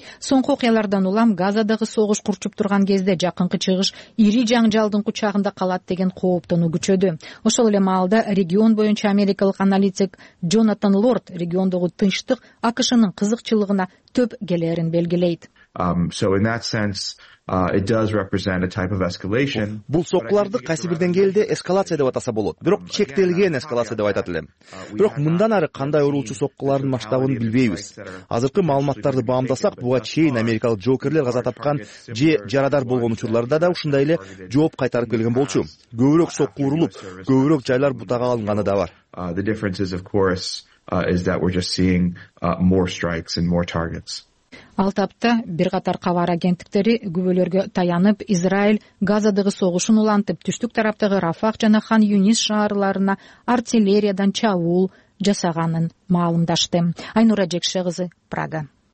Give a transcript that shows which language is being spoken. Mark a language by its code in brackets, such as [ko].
[ky] Соңку окуялардан улам Газадагы согуш курчуп турган кезде жакынкы чыгыш ири жаңжалдын кучагында калат деген кооптонуу күчөдү. Ошол эле маалда регион боюнча америкалык аналитик Джонатан Лорд региондогу тынчтык АКШнын кызыкчылыгына төп келерин белгилейт. [en] So in that sense, it does represent a type of escalation. [ky] Бул соккуларды кайсы бир деңгээлде эскалация деп атаса болот, бирок чектелген эскалация деп айтат элем. Бирок мындан ары кандай оорулуучу соккулардын масштабын билбейбиз. Азыркы маалыматтарды баамдасак, буга чейин америкалык жоокерлер каза тапкан же жарадар болгон учурларда да ушундай эле жооп кайтарып келген болчу. Көбүрөөк сокку урулуп, көбүрөөк жайлар бутага алынганы да бар. [en] The difference is, of course, is that we're just seeing more strikes and more targets. [ky] Ал тапта бир катар кабар агенттиктери күбөлөргө таянып, Израиль Газадагы согушун улантып, түштүк тараптагы Рафах жана Хан Юнис шаарларына артиллериядан чабуул жасаганын маалымдашты. Айнура Жекше кызы, Прага.